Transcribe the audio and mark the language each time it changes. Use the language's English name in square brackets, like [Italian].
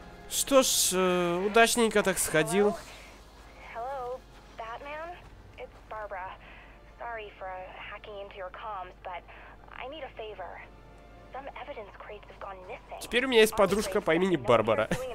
[Russian] Что ж, удачненько так сходил. [English] Hello? Hello, Batman? It's Barbara. Sorry for hacking into your comms, but I need a favor. Some evidence crates have gone missing. [Russian] Теперь у меня есть подружка по имени Барбара.